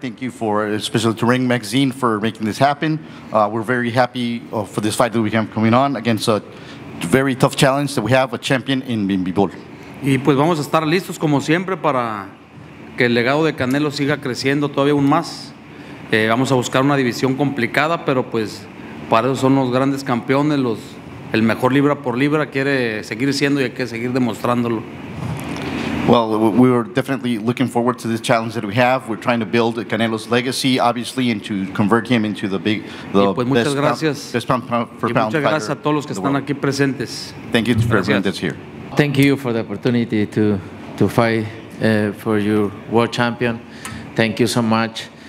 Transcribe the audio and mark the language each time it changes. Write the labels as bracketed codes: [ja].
[en] Thank you for, especially to Ring Magazine, for making this happen. We're very happy for this fight that we have coming on against a very tough challenge that we have, a champion in Bivol. [es] Y pues vamos a estar listos como siempre para que el legado de Canelo siga creciendo todavía aún más. Vamos a buscar una división complicada, pero pues para eso son los grandes campeones, el mejor libra por libra quiere seguir siendo y hay que seguir demostrándolo. [en] Well, we were definitely looking forward to this challenge that we have. We're trying to build Canelo's legacy, obviously, and to convert him into the best pound for pound fighter. Thank you for everyone that's here. Thank you for the opportunity to fight for your world champion. Thank you so much.